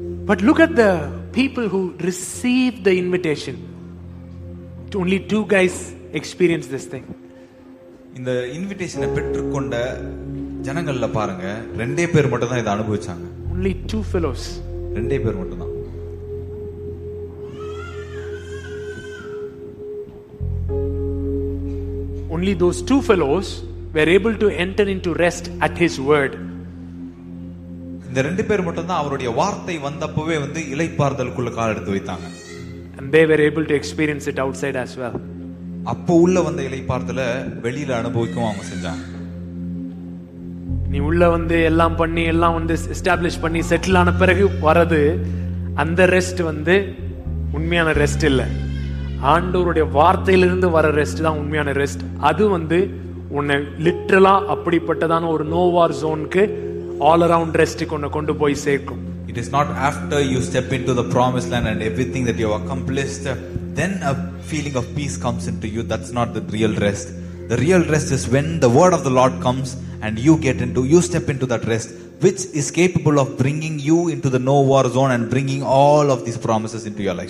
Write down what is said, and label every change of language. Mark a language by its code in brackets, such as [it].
[en] But look at the people who received the invitation. Only two guys experienced this thing. In the invitation [ta] பெற்றுக்கொண்ட ஜனங்கள்ல பாருங்க, ரெண்டே பேர் மட்டும் தான் இதை அனுபவிச்சாங்க. [en] Only two fellows. [ta] ரெண்டே பேர் மட்டும் தான். [en] Only those two fellows were able to enter into rest at his word. [ta] இந்த ரெண்டு பேர் மட்டும் தான் அவருடைய வார்த்தை வந்தப்பவே வந்து இளைப்பாறுதலுக்குள்ள கால் எடுத்து வைத்தாங்க. [en] And they were able to experience it outside as well. [ta] அப்ப உள்ள வந்த இளைப்பாறுதல வெளியில அனுபவிக்கவும் அவங்க செஞ்சாங்க. நீ உள்ள வந்து எல்லாம் பண்ணி எல்லாம் வந்து எஸ்டாப்லிஷ் பண்ணி செட்டில் ஆன பிறகு வரது அந்த ரெஸ்ட் வந்து உண்மையான ரெஸ்ட் இல்ல. ஆண்டவருடைய வார்த்தையிலிருந்து வர ரெஸ்ட் தான் உண்மையான ரெஸ்ட். அது வந்து உன்னை லிட்டரலா அப்படிப்பட்டதான ஒரு நோ வார் ஜோனுக்கு [en] all around rest [ta] konna kondu poi seikkum. [en] It is not after you step into the promised land and everything that you have accomplished then a feeling of peace comes into you. That's not the real rest. The real rest is when the word of the Lord comes and you step into that rest which is capable of bringing you into the no war zone and bringing all of these promises into your life.